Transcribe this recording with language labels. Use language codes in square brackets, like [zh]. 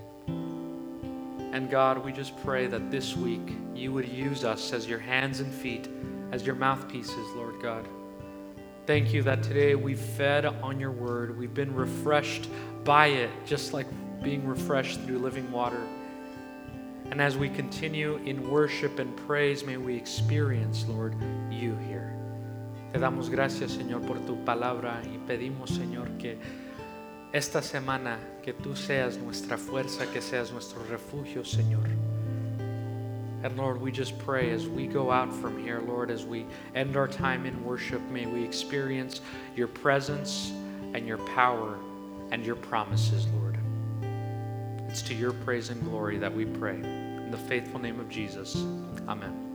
[en] And God, we just pray that this week you would use us as your hands and feet, as your mouthpieces, Lord God. Thank you that today we've fed on your word. We've been refreshed by it, just like being refreshed through living water. And as we continue in worship and praise, may we experience, Lord, you here. [es] Te damos gracias, Señor, por tu palabra y pedimos, Señor, que esta semana que tú seas nuestra fuerza, que seas nuestro refugio, Señor. [en] And Lord, we just pray as we go out from here, Lord, as we end our time in worship, may we experience your presence and your power and your promises, Lord. It's to your praise and glory that we pray. In the faithful name of Jesus, amen.